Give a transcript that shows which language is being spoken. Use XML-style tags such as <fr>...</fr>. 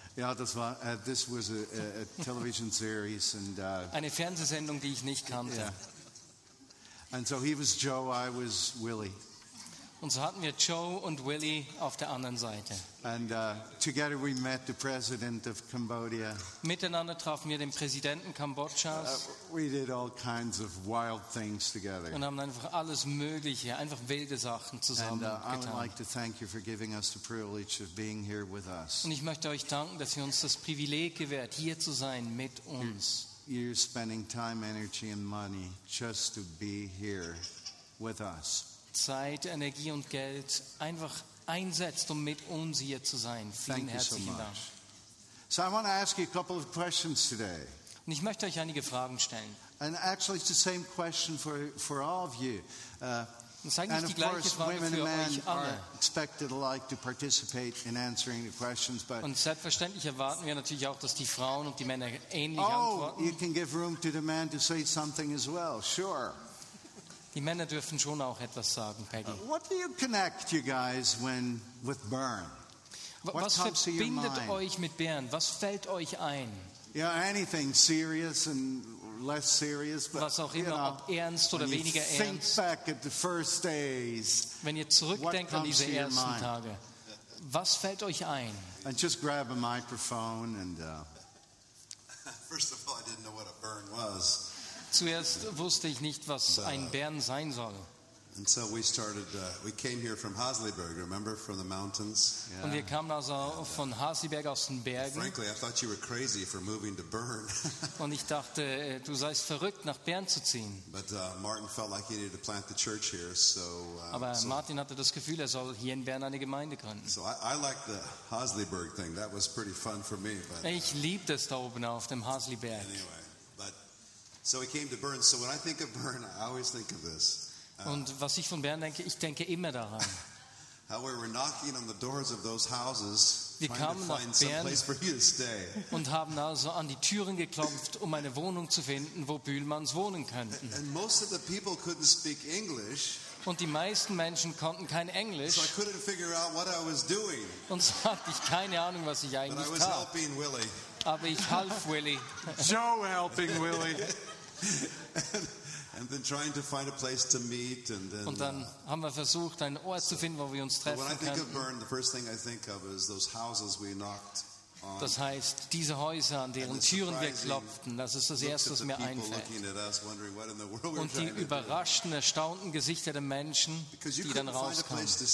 <de>Ja, das war</de> <en>this was a television series and</en> <de>eine Fernsehsendung, die ich nicht kannte. Yeah.</de> <en>And so he was Joe, I was Willie.</en> <de>Und so hatten wir Joe und Willie auf der anderen Seite.</de> <en>And together we met the president of Cambodia.</en> <de>Miteinander trafen wir den Präsidenten Kambodschas.</de> <en>We did all kinds of wild things together.</en> <de>Und haben einfach alles Mögliche, einfach wilde Sachen zusammen getan.</de> <en>And I would like to thank you for giving us the privilege of being here with us.</en> <de>Und ich möchte euch danken, dass ihr uns das Privileg gewährt, hier zu sein mit uns.</de> <en>You're spending time, energy and money just to be here with us.</en> <de>Zeit, Energie und Geld einfach einsetzt, um mit uns hier zu sein. Vielen herzlichen Dank.</de> <en>So I want to ask you a couple of questions today.</en> <de>Und ich möchte euch einige Fragen stellen.</de> <en>And actually it's the same question for all of you. And of course, women and men are expected alike to participate in answering the questions. But</en> <de>und selbstverständlich erwarten wir natürlich auch, dass die Frauen und die Männer ähnlich antworten.</de> <en>You can give room to the man to say something as well. Sure.</en> <de>Die Männer dürfen schon auch etwas sagen, Peggy.</de> <en>What do you connect you guys when with Bern?</en> <de>Was verbindet euch mit Bern? Was fällt euch ein?</de> <en>Yeah, anything serious and less serious, but</en> <de>was auch immer, ob ernst oder weniger ernst.</de> <en>Think back at the first days.</en> <de>Wenn ihr zurückdenkt an diese ersten Tage, was fällt euch ein?</de> <en>And just grab a microphone and first of all, I didn't know what a Bern was. Zuerst wusste ich nicht, was ein Bären sein soll. And so we started, we came here from Hasliberg, remember, from the mountains? Yeah.</en> <de>Und wir kamen also von Hasliberg aus den Bergen.</de> <en>And frankly, I thought you were crazy for moving to Bern.</en> <de>Und ich dachte, du seist verrückt, nach Bern zu ziehen.</de> <en>But Martin felt like he needed to plant the church here, so...</en> <de>Aber Martin hatte das Gefühl, er soll hier in Bern eine Gemeinde gründen.</de> <en>So I like the Hasliberg thing, that was pretty fun for me. But,</en> <de>ich liebte es da oben auf dem Hasliberg.</de> <en>Anyway, but... So we came to Bern, so when I think of Bern, I always think of this.</en> <de>Und was ich von Bern denke, ich denke immer daran.</de> <en>How we were knocking on the doors of those houses,</en> <de>wir kamen</de> <en>trying to find some place for you to stay.</en> <de>Und haben also an die Türen geklopft, um eine Wohnung zu finden, wo Bühlmanns wohnen könnten.</de> <en>And most of the people couldn't speak English.</en> <de>Und die meisten Menschen konnten kein Englisch.</de> <en>So I couldn't figure out what I was doing.</en> <de>Und so hatte ich keine Ahnung, was ich eigentlich</de> <en>tat. But I was helping Willie.</en> <de>Aber ich half Willie.</de> <en>Joe helping Willie. And then trying to find a place to meet, and then.</en> <de>Und dann haben wir versucht, einen Ort zu finden, wo wir uns treffen können.</de> <en>But when I think of Bern, the first thing I think of is those houses we knocked on.</en> <de>Das heißt, diese Häuser, an deren Türen wir klopften, das ist das Erste, was mir einfällt. Und die überraschten, erstaunten Gesichter der Menschen, die dann rauskamen.</de>